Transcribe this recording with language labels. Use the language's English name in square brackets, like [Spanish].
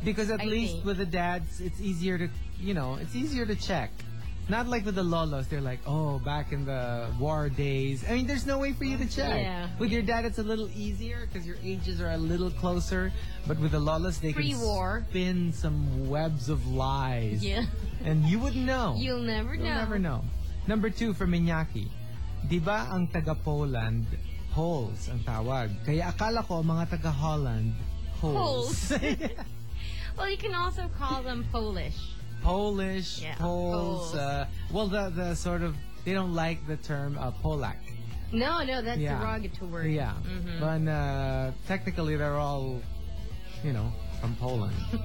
[English] Because at least with the dads, it's easier to, you know, it's easier to check. Not like with the lolos. They're like, oh, back in the war days. I mean, there's no way for you to check. Yeah. With your dad, it's a little easier because your ages are a little closer. But with the lolos, they pre-war. Can spin some webs of lies. Yeah. And you wouldn't know. You'll never You'll know. Never know. Number two for Minyaki. [Filipino] Diba ang taga-Poland, Poles ang tawag. Kaya akala ko mga taga-Holland, Poles. [English] Well, you can also call them Polish. Polish, yeah, Poles. Well, the sort of, they don't like the term Polak. No, that's derogatory. Yeah. Mm-hmm. But technically, they're all, you know, from Poland.